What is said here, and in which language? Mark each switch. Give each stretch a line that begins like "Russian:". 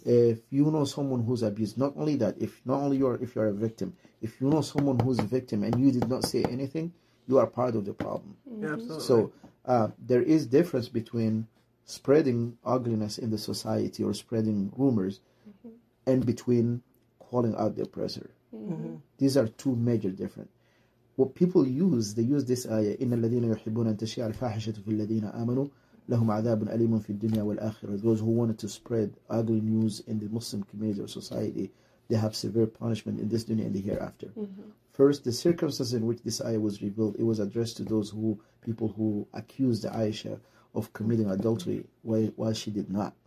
English: If you know someone who's abused, not only that, if you are a victim, if you know someone who's a victim and you did not say anything, you are part of the problem. Mm-hmm. Yeah, absolutely. So there is difference between spreading ugliness in the society or spreading rumors mm-hmm. and between calling out the oppressor. Mm-hmm. These are two major different. What people use, they use this ayah,
Arabic: إِنَّ الَّذِينَ يُحِبُّونَ أَن تَشِيعَ الْفَاحِشَةُ فِي الَّذِينَ آمَنُوا لَهُمْ عَذَابٌ أَلِيمٌ فِي الدُّنْيَا وَالْآخِرَةِ.
English: Those who wanted to spread ugly news in the Muslim community or society, they have severe punishment in this dunya and the hereafter. Mm-hmm. First, the circumstances in which this ayah was revealed, it was addressed to people who accused Aisha of committing adultery while she did not.